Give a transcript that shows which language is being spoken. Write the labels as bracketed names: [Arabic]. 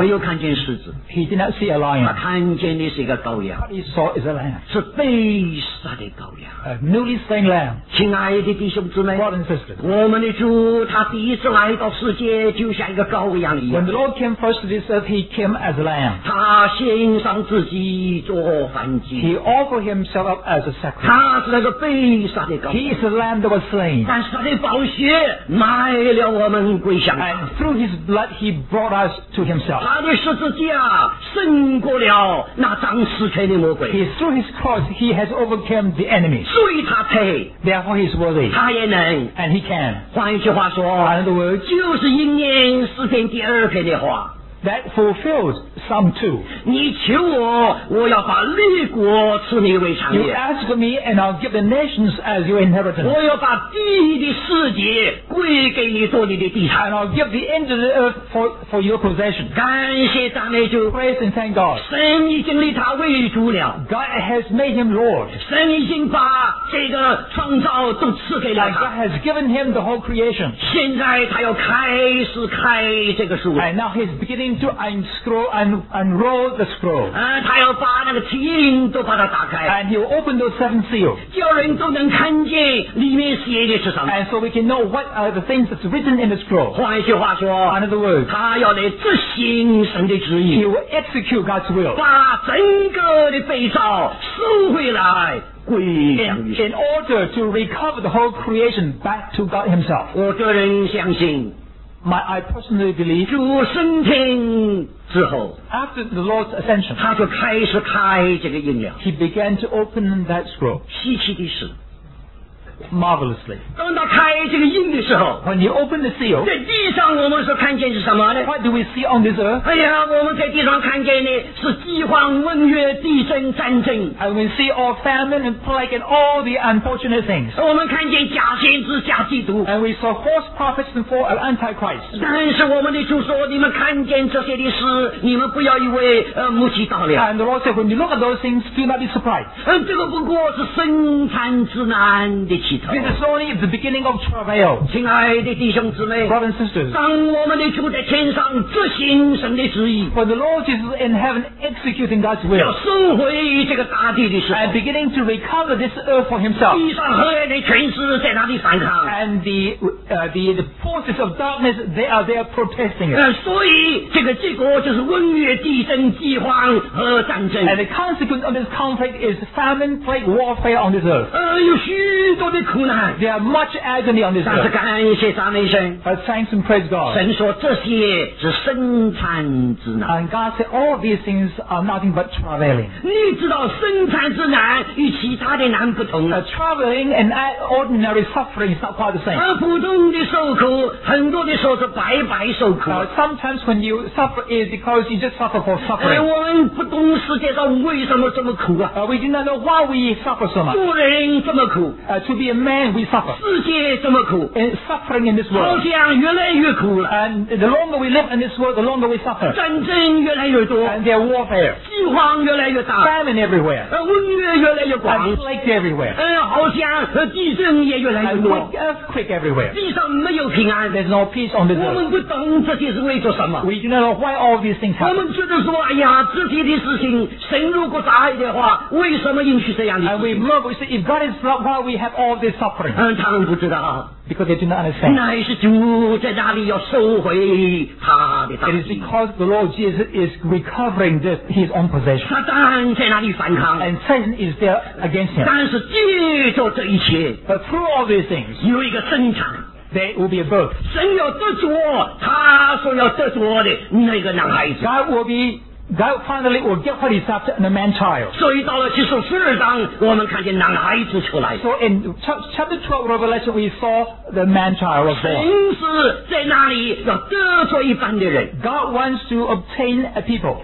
[Chinese] 没有看见狮子 [English] ，He did not see a lion。 [Chinese] 他看见的是一个羔羊 [English] ，What he saw is a lamb， [Chinese] 是被杀的羔羊 [English] ，A newly slain lamb。 [Chinese] 亲爱的弟兄姊妹 [English] ，Brothers and sisters， [Chinese] 我们的主他第一次来到世界，就像一个羔羊一样。 [English] When the Lord came first to this earth, He came as a lamb。 [Chinese] 他献上自己做燔祭 [English] ，He offered himself up as a sacrifice。 [Chinese] 他是那个被杀的羔羊 [English] ，He is the lamb that was slain。 [Chinese] 但是他的宝血买了我们归向。 [English] And through His blood, He brought us to Himself。 [Chinese] 他的十字架胜过了那掌死权的魔鬼。 [English] He through His cross, He has overcome the enemy。 [Chinese] 所以他配。 [English] Therefore, He is worthy。 [Chinese] 他也能。 [English] And He can。 [Chinese] 换一句话说。 [English] In other words, [Chinese] 就是应验诗篇第二篇的话。 [English] That fulfills Psalm 2. [Chinese] 你求我，我要把列国赐你为产业。 [English] You ask me, and I'll give the nations as your inheritance. [Chinese] 我要把地的世界归给你做你的地产。 [English] And I'll give the end of the earth for your possession. [Chinese] 感谢赞美主。 [English] Praise and thank God. [Chinese] 神已经立他为主了。 [English] God has made him Lord. [Chinese] 神已经把这个创造都赐给了他。 [English] God has given him the whole creation. [Chinese] 现在他要开始开这个书。 [English] And now he's beginning. To unscroll and roll the scroll. [Chinese] 他要把那个七印都把它打开。 [English] And he will open those seven seals. [Chinese] 叫人都能看见里面写的是什么。 [English] And so we can know what are the things that's written in the scroll. [Chinese] 换一句话说。 [English] In other words. [Chinese] 他要来执行神的旨意。 [English] He will execute God's will. [Chinese] 把整个的被造收回来。 [English] In order to recover the whole creation back to God Himself. [Chinese] 我个人相信。 [English] I personally believe [Chinese] 主升天之后 [English] after the Lord's ascension [Chinese] 他就开始开这个印了 [English] he began to open that scroll [Chinese] 稀奇的是 [English] marvelously [Chinese] 当他开这个印的时候 [English] when he opened the seal [Chinese] 在地上我们所看见是什么呢 [English] what do we see on this earth [Chinese] 哎呀我们在地上看见的是饥荒瘟疫地震战争 [English] and we see all famine and plague and all the unfortunate things [Chinese] 我们看见假先知假基督 [English] and we saw false prophets and false antichrist [Chinese] 但是我们的主说你们看见这些的事你们不要以为目击到了 [English] and the Lord said when you look at those things do not be surprised [Chinese] 这个不过是生产之难的 [English] This is only the beginning of travail. [Chinese] 亲爱的弟兄姊妹 [English] Brothers and sisters. [Chinese] 当我们的主在天上执行神的旨意 [English] When the Lord Jesus is in heaven executing God's will. [Chinese] 要收回这个大地的时候 [English] And beginning to recover this earth for himself. [Chinese] 地上黑暗的权势在哪里反抗 [English] And the forces of darkness, they are there protesting it. [Chinese] 所以这个结果就是瘟疫、地震、饥荒和战争 [English] And the consequence of this conflict is famine, plague, warfare on this earth. [Chinese] 有许多的苦难 [English] There are much agony on this earth. [Chinese] 但是感谢赞美神 [English] But thanks and praise God. [Chinese] 神说这些是生产之难 [English] And God said all these things are nothing but traveling. [Chinese] 你知道生产之难与其他的难不同 [English] Traveling and ordinary suffering is not quite the same. [Chinese] 普通的受苦很多的时候是白白受苦 [English] Sometimes when you suffer is because you just suffer for suffering. [Chinese] 我们不懂世界上为什么这么苦啊 [English] We do not know why we suffer so much. [Chinese] 做人这么苦 [English] To be a man, we suffer. [Chinese] 世界这么苦 [English] and suffering in this world. [Chinese] 好像越来越苦了 [English] And the longer we live in this world, the longer we suffer. [Chinese] 战争越来越多 [English] And there are warfare. [Chinese] 饥荒越来越大 [English] Famine everywhere. [Chinese] 瘟疫越来越广 [English] And plague everywhere. [Chinese] 好像地震也越来越多 [English] And earthquake everywhere. [Chinese] 地上没有平安 [English] There's no peace on this earth. [Chinese] 我们不懂这些是为做什么 [English] We do not know why all these things happen. [Chinese] 我们觉得说哎呀这些的事情神如果答应的话为什么允许这样的 [English] And we love, we say, if God is not why we have all this suffering. [Chinese] 他们不知道。 [English] Because they do not understand. [Chinese] 乃是主在那里要收回他的大地。 [English] It is because the Lord Jesus is recovering this, his own possession. [Chinese] 撒旦在那里反抗。 [English] And Satan is there against him. [Chinese] 但是借着这一切。 [English] But through all these things. [Chinese] 有一个生产。 [English] There will be a birth. [Chinese] 神要得着他所要得着的那个男孩子。 [English] God will be God finally will get what he's after, and the man tired. So in chapter 12 of Revelation, we saw the man child was born. God wants to obtain a people.